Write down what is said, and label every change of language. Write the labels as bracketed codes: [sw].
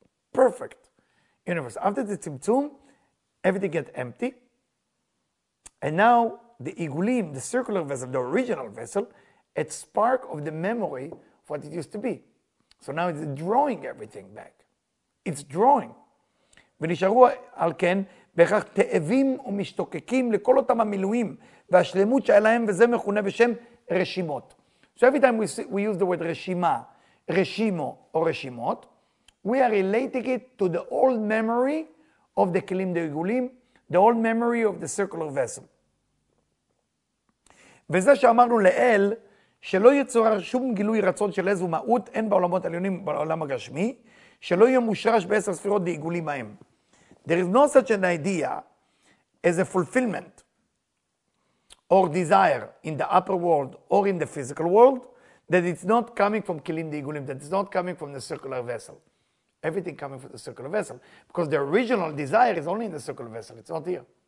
[en] Perfect universe. After the Tzimtzum, everything gets empty. And now the Igulim, the circular vessel, the original vessel, it's spark of the memory of what it used to be. So now it's drawing everything back. It's drawing. [he] ונשארו על כן, בהכרח תאבים ומשתוקקים לכל אותם המילואים והשלמות שהיה להם, וזה מכונה בשם רשימות. [en] So every time we use the word רשימה, רשימו או רשימות, we are relating it to the old memory of the Kelim, the Igulim, The old memory of the circular vessel. [he] וזה שאמרנו לאל, שלא יצורר שום גילוי רצון של איזו מהות, אין בעולמות העליונים בעולם הגשמי, שלא יהיה מושרש בעשר ספירות דעיגולים מהם. [en] There is no such an idea as a fulfillment or desire in the upper world or in the physical world that it's not coming from killing the igulim, that it's not coming from the circular vessel. Everything coming from the circular vessel. Because the original desire is only in the circular vessel. It's not here.